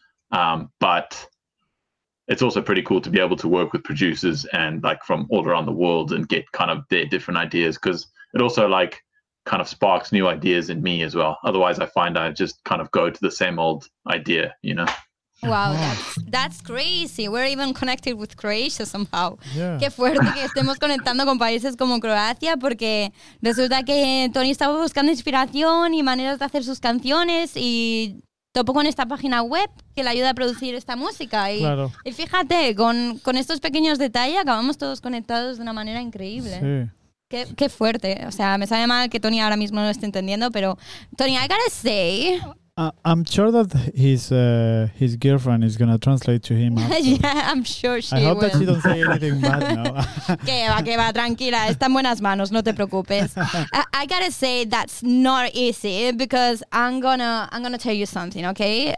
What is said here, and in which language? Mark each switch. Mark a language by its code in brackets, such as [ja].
[en] But it's also pretty cool to be able to work with producers and like from all around the world and get kind of their different ideas, because it also like kind of sparks new ideas in me as well. Otherwise, I find I just kind of go to the same old idea, you know? Wow, that's crazy. We're even connected with Croatia somehow. Yeah. [es] Qué fuerte que estemos conectando con países como Croacia, porque resulta que Toni estaba buscando inspiración y maneras de hacer sus canciones y... topo con esta página web que le ayuda a producir esta música. Y, claro. Y fíjate, con estos pequeños detalles acabamos todos conectados de una manera increíble. Sí. Qué fuerte. O sea, me sabe mal que Toni ahora mismo no lo esté entendiendo, pero Toni, [en] I gotta say, I'm sure that his girlfriend is gonna translate to him. Yeah, I'm sure she will. I hope will. That she don't say anything bad. No. [es] que va, tranquila. Está en buenas manos. No te preocupes. [en] I gotta say that's not easy because I'm gonna tell you something. Okay.